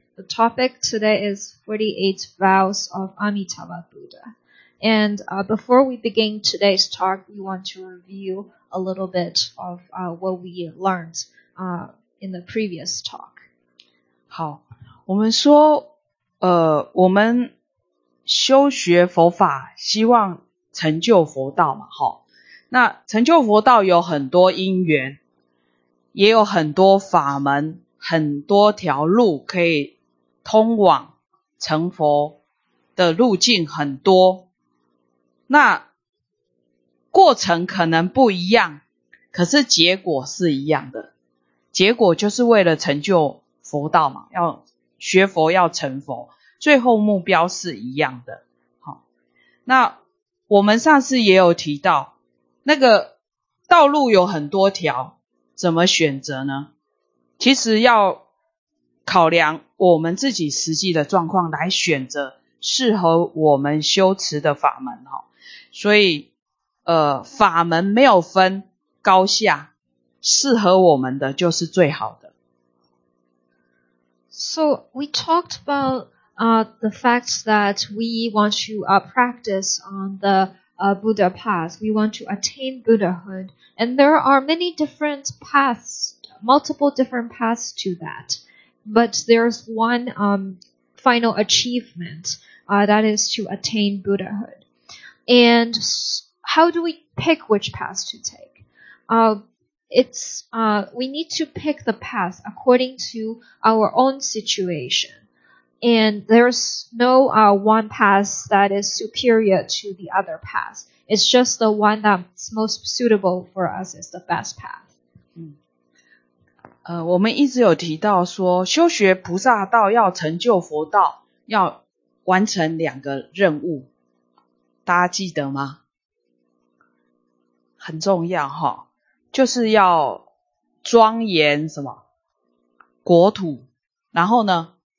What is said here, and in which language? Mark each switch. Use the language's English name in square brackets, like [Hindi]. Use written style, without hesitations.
[English] The topic today is 48 vows of Amitabha Buddha. And, before we begin today's talk, we want to review a little bit of, what we learned, in the previous talk. [Chinese] 好，我们说，我们修学佛法，希望成就佛道嘛，齁。那成就佛道有很多因缘，也有很多法门，很多条路可以通往成佛的路径很多。那过程可能不一样，可是结果是一样的。结果就是为了成就佛道嘛，要学佛要成佛，最后目标是一样的。好，那我们上次也有提到那个道路有很多条，怎么选择呢？其实要考量我们自己实际的状况来选择适合我们修持的法门。所以法门没有分高下，适合我们的就是最好的。 [English] So we talked about the fact that we want to practice on theBuddha path. We want to attain Buddhahood. And there are many different paths, multiple different paths to that. But there's one final achievement, that is to attain Buddhahood. And how do we pick which path to take? We need to pick the path according to our own situation. And there's no one path that is superior to the other path. It's just the one that's most suitable for us is the best path. [Chinese] 我们一直有提到说，修学菩萨道要成就佛道，要完成两个任务，大家记得吗？很重要哈，就是要庄严什么国土，然后呢？